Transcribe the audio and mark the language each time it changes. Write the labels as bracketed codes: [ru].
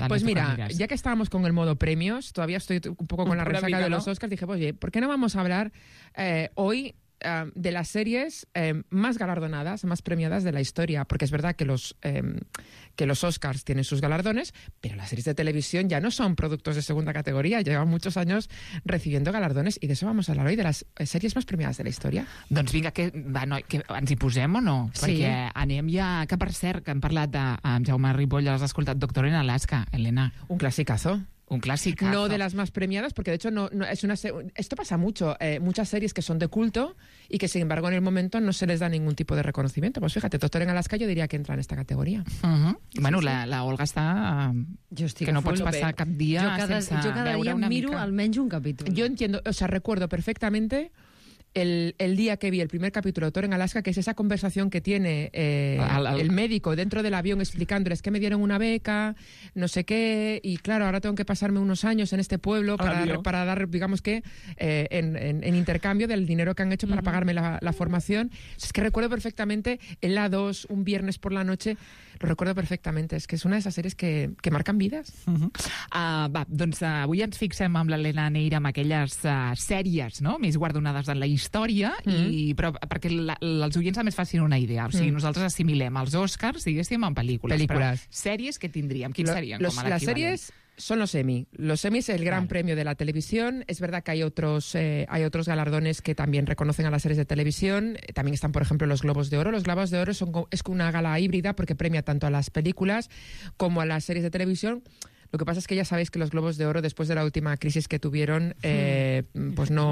[es] Pues mira, ya que estábamos con el modo premios, todavía estoy un poco con la resaca de los Oscars, dije, oye, ¿por qué no vamos a hablar hoy de las series más galardonadas, más premiadas de la historia? Porque es verdad que los Oscars tienen sus galardones, pero las series de televisión ya no son productos de segunda categoría, llevan muchos años recibiendo galardones, y de eso vamos a hablar hoy, de las series más premiadas de la historia. [ca] Doncs vinga, que ens hi posem o no? Sí. Perquè anem ja... Que per cert, que hem parlat amb Jaume Ripoll, ja l'has escoltat, Doctor en Alaska, Elena. [es] Un clasicazo. Un clásico. No de las más premiadas, porque de hecho no es una esto pasa mucho, muchas series que son de culto y que sin embargo en el momento no se les da ningún tipo de reconocimiento. Pues fíjate, Doctor en Alaska yo diría que entra en esta categoría. Uh-huh. Bueno, sí. la Olga está... Yo estoy [ca] que no pots passar bé. Cap dia sense veure una mica. [es] Yo cada día miro [ca] mica. Almenys un capítulo. [es] Yo entiendo, o sea, recuerdo perfectamente el día que vi el primer capítulo de Doctor en Alaska, que es esa conversación que tiene el médico dentro del avión explicándoles que me dieron una beca, no sé qué, y claro, ahora tengo que pasarme unos años en este pueblo para dar, digamos que, en intercambio del dinero que han hecho para pagarme la formación. Es que recuerdo perfectamente el A2, un viernes por la noche, lo recuerdo perfectamente. Es que es una de esas series que marcan vidas. Uh-huh. [ca] Avui ens fixem amb l'Elena Neira, amb aquelles sèries, no?, més guardonades en la història, però perquè els oients a més facin una idea. O sigui, nosaltres assimilem els Oscars, diguéssim, en pel·lícules. Sèries que tindríem? Quins serien com a l'equivalent? Les sèries són los Emmy. [es] Los Emmy és el gran premio de la televisió. És verdad que hay otros galardones que también reconocen a las series de televisió. También están, por ejemplo, los Globos de Oro. Los Globos de Oro es una gala híbrida porque premia tanto a las películas como a las series de televisión. Lo que pasa es que ya sabéis que los Globos de Oro, después de la última crisis que tuvieron, pues no...